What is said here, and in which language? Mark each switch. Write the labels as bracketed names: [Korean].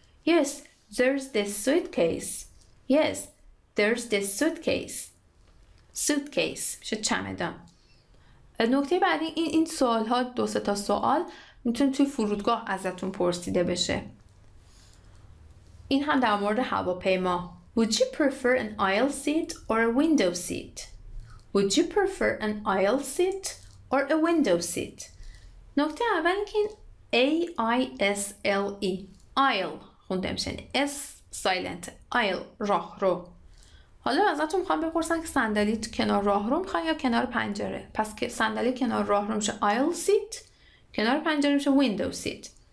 [English] Yes, there's this suitcase. Yes, there's this suitcase. Suitcase. [Persian] میشه چمدان. نکته بعدی این سوال ها، دو سه تا سوال میتونه توی فرودگاه ازتون پرسیده بشه. این هم در مورد هواپیما. [English] Would you prefer an aisle seat or a window seat? Would you prefer an aisle seat or a window seat? [Persian] نکته اول که این A-I-S-L-E aisle خونده میشه. [English] S silent. Aisle. [Persian] راه رو. حالا ازتون میخوام بپرسن که صندلی کنار راه رو میخوان یا کنار پنجره. پس که صندلی کنار راه رو میشه [English] aisle seat. [Persian] کنار پنجره میشه [English] window seat.